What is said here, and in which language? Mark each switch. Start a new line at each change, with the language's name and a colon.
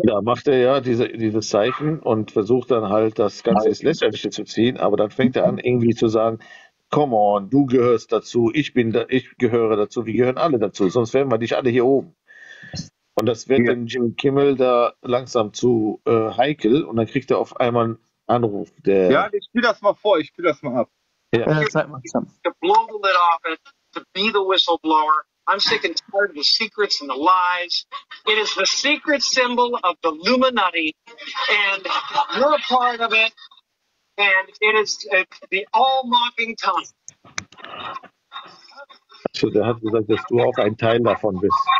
German: Ja, macht er ja dieses Zeichen und versucht dann halt das Ganze ins Lächerliche zu ziehen, aber dann fängt er an, irgendwie zu sagen,
English: come on,
German: du gehörst dazu, ich gehöre dazu, wir gehören alle dazu, sonst wären wir nicht alle hier oben. Und das wird dann Jim Kimmel da langsam zu heikel und dann kriegt er auf einmal einen Anruf. Der ja, ich spiel das mal vor, ich spiel das mal ab. Ja, zeig mal zusammen.
English: To blow the lid off it, to be the whistleblower. I'm sick and tired of the secrets and the lies. It is the secret symbol of the Illuminati, and you're a part of it, and it is the all-mocking tongue.
German: So, der hat gesagt, dass du auch ein Teil davon bist.